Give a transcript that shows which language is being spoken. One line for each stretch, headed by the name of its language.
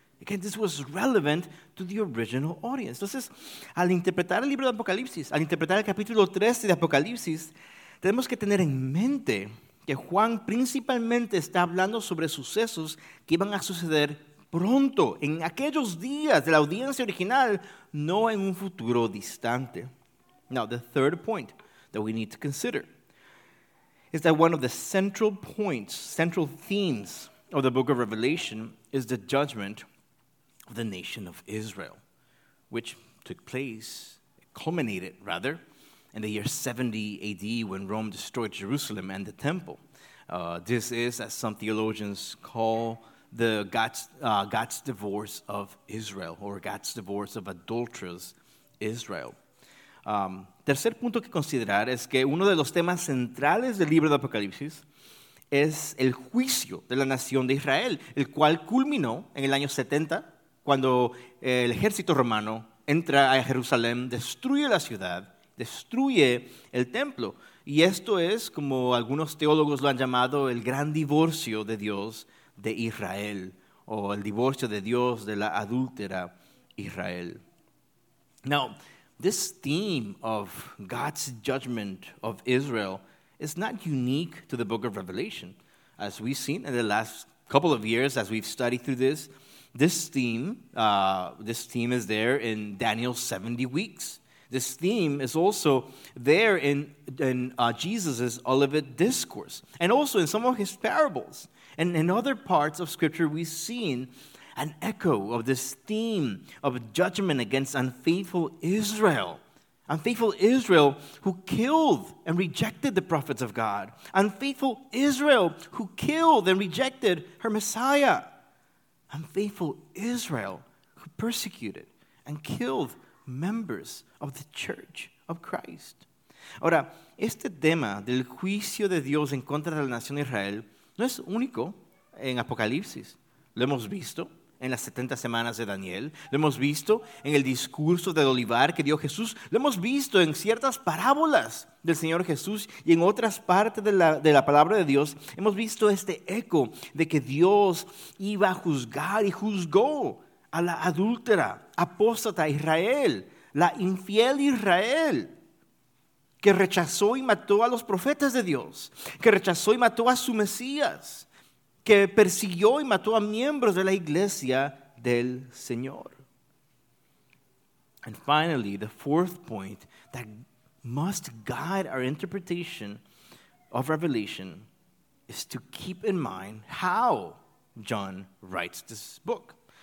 English: Again, this was relevant to the original audience.
Spanish: Entonces, al interpretar el libro de Apocalipsis, al interpretar el capítulo 13 de Apocalipsis, tenemos que tener en mente que Juan principalmente está hablando sobre sucesos que iban a suceder pronto, en aquellos días de la audiencia original, no en un futuro distante.
English: Now, the third point that we need to consider is that one of the central points, central themes of the book of Revelation is the judgment of the nation of Israel, which took place, culminated rather, in the year 70 AD when Rome destroyed Jerusalem and the temple. This is, as some theologians call, the God's divorce of Israel, or God's divorce of adulterous Israel.
Spanish: Tercer punto que considerar es que uno de los temas centrales del libro de Apocalipsis es el juicio de la nación de Israel, el cual culminó en el año 70, cuando el ejército romano entra a Jerusalén, destruye la ciudad, destruye el templo. Y esto es, como algunos teólogos lo han llamado, el gran divorcio de Dios de Israel, o el divorcio de Dios de la adúltera Israel.
English: Now, this theme of God's judgment of Israel is not unique to the book of Revelation. As we've seen in the last couple of years, as we've studied through this, this theme is there in Daniel's 70 weeks. This theme is also there in Jesus' Olivet Discourse, and also in some of his parables. And in other parts of Scripture, we've seen an echo of this theme of judgment against unfaithful Israel. Unfaithful Israel who killed and rejected the prophets of God. Unfaithful Israel who killed and rejected her Messiah. Unfaithful Israel who persecuted and killed members of the Church of Christ.
Spanish: Ahora, este tema del juicio de Dios en contra de la nación de Israel no es único en Apocalipsis. Lo hemos visto en las 70 semanas de Daniel. Lo hemos visto en el discurso del olivar que dio Jesús. Lo hemos visto en ciertas parábolas del Señor Jesús y en otras partes de la palabra de Dios. Hemos visto este eco de que Dios iba a juzgar y juzgó a la adúltera, apóstata Israel, la infiel Israel, que rechazó y mató a los profetas de Dios, que rechazó y mató a su Mesías, que persiguió y mató a miembros de la iglesia del Señor.
English: And finally, the fourth point that must guide our interpretation of Revelation is to keep in mind how John writes this book.